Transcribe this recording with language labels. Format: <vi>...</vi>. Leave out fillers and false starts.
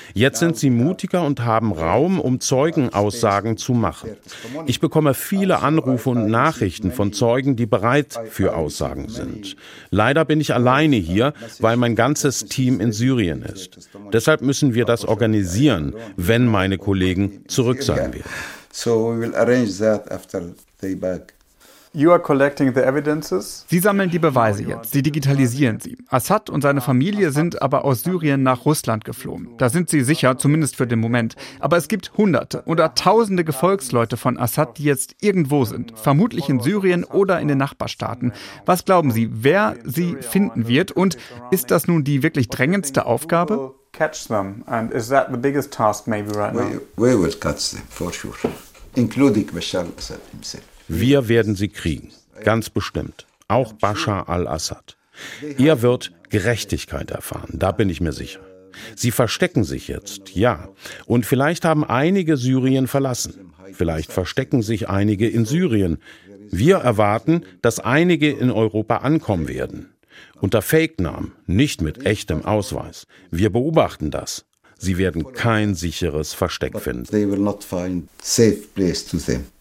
<de>Jetzt sind sie mutiger und haben Raum, um Zeugenaussagen zu machen. Ich bekomme viele Anrufe und Nachrichten von Zeugen, die bereit für Aussagen sind. Leider bin ich alleine hier, weil mein ganzes Team in Syrien ist. Deshalb müssen wir das organisieren, wenn meine Kollegen zurück sind.</de> <en>So we will arrange that after they back. You are collecting the evidences.</en> <de>Sie sammeln die Beweise jetzt. Sie digitalisieren sie. Assad und seine Familie sind aber aus Syrien nach Russland geflohen. Da sind sie sicher, zumindest für den Moment. Aber es gibt Hunderte oder Tausende Gefolgsleute von Assad, die jetzt irgendwo sind. Vermutlich in Syrien oder in den Nachbarstaaten. Was glauben Sie, wer sie finden wird? Und ist das nun die wirklich drängendste Aufgabe?</de> <en>Catch them, and is that the biggest task maybe right now? We will catch them for sure, including Bashar al-Assad himself.</en> <de>Wir werden sie kriegen, ganz bestimmt. Auch Bashar al-Assad. Er wird Gerechtigkeit erfahren, da bin ich mir sicher. Sie verstecken sich jetzt, ja. Und vielleicht haben einige Syrien verlassen. Vielleicht verstecken sich einige in Syrien. Wir erwarten, dass einige in Europa ankommen werden. Unter Fake-Namen, nicht mit echtem Ausweis. Wir beobachten das. Sie werden kein sicheres Versteck finden.</de> <en>They will not find safe place to them.</en>